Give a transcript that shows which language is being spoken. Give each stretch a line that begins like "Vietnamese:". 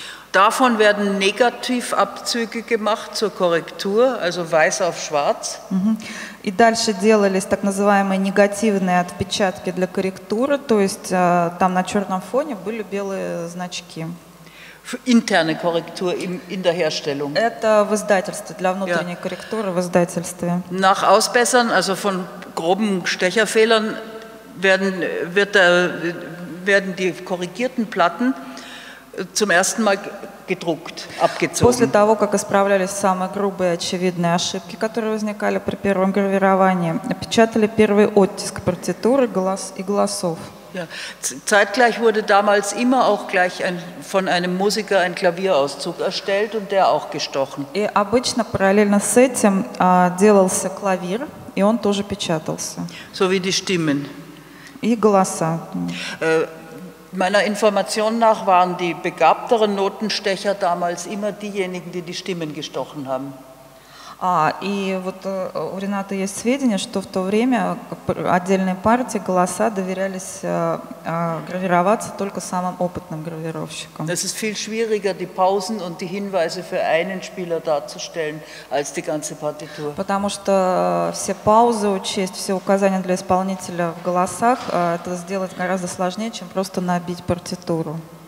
German: Davon werden Negativabzüge gemacht zur Korrektur, also weiß auf schwarz.
Russian: И дальше делались так называемые негативные отпечатки для корректуры, то есть там на черном фоне были белые значки.
German: Interne Korrektur in der Herstellung.
Russian: Это в издательстве, для внутренней корректуры в издательстве.
German: Nach Ausbessern, also von groben Stecherfehlern, werden die korrigierten Platten zum ersten Mal gedruckt, abgezogen.
Russian: После того, как исправлялись самые грубые очевидные ошибки, которые возникали при первом гравировании, печатали первый оттиск партитуры и голосов.
German: Ja. Zeitgleich wurde damals immer auch gleich von einem Musiker ein Klavierauszug erstellt und der auch gestochen.
Russian: И обычно параллельно с этим делался клавир, и он тоже печатался.
German: So wie die Stimmen.
Russian: И голоса.
German: Meiner Information nach waren die begabteren Notenstecher damals immer diejenigen, die Stimmen gestochen haben.
Russian: И вот у Рената есть сведения, что в то время отдельные партии голоса доверялись гравироваться только самым опытным гравировщикам.
German: Es ist viel schwieriger, die Pausen und die Hinweise für einen Spieler darzustellen, als die ganze Partitur.
Russian: Потому что все паузы учесть, все указания для исполнителя в голосах, это сделать гораздо сложнее, чем просто набить партитуру.